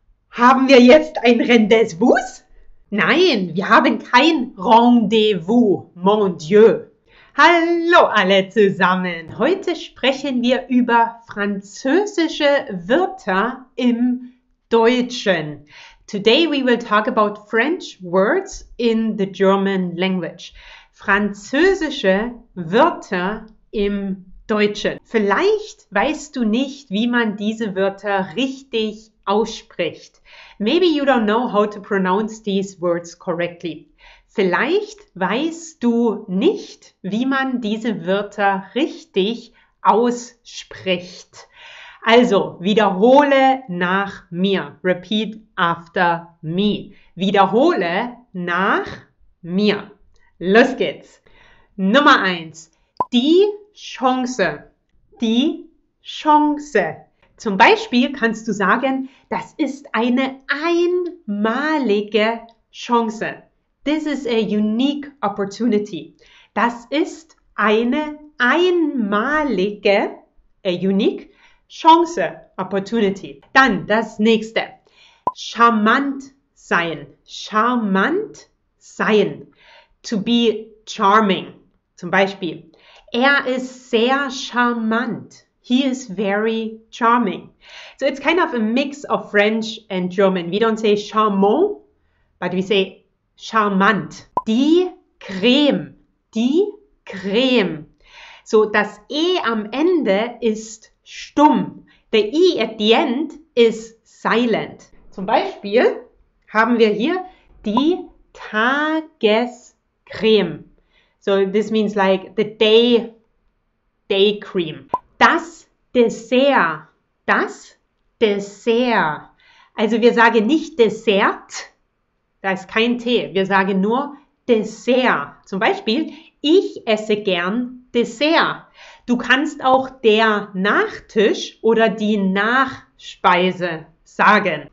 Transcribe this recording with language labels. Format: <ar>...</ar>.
<de>Haben wir jetzt ein Rendezvous? Nein, wir haben kein Rendezvous,</de> <fr>mon Dieu.</fr> <de>Hallo alle zusammen. Heute sprechen wir über französische Wörter im Deutschen.</de> <en>Today we will talk about French words in the German language.</en> <de>Französische Wörter im Deutschen. Vielleicht weißt du nicht, wie man diese Wörter richtig ausspricht.</de> <en>Maybe you don't know how to pronounce these words correctly.</en> <de>Vielleicht weißt du nicht, wie man diese Wörter richtig ausspricht. Also wiederhole nach mir.</de> <en>Repeat after me.</en> <de>Wiederhole nach mir. Los geht's. Nummer 1. Die Chance. Die Chance. Zum Beispiel kannst du sagen, das ist eine einmalige Chance.</de> <en>This is a unique opportunity.</en> <de>Das ist eine einmalige,</de> <en>a unique</en> <de>Chance,</de> <en>opportunity.</en> <de>Dann das nächste. Charmant sein. Charmant sein.</de> <en>To be charming.</en> <de>Zum Beispiel, er ist sehr charmant.</de> <en>He is very charming. So it's kind of a mix of French and German. We don't say charmant, but we say charmant.</en> <de>Die Creme. Die Creme. So das E am Ende ist stumm.</de> <en>The E at the end is silent.</en> <de>Zum Beispiel haben wir hier die Tagescreme.</de> <en>So this means like the day cream.</en> <de>Das Dessert, das Dessert. Also wir sagen nicht Dessert, da ist kein T, wir sagen nur Dessert. Zum Beispiel, ich esse gern Dessert. Du kannst auch der Nachtisch oder die Nachspeise sagen.</de>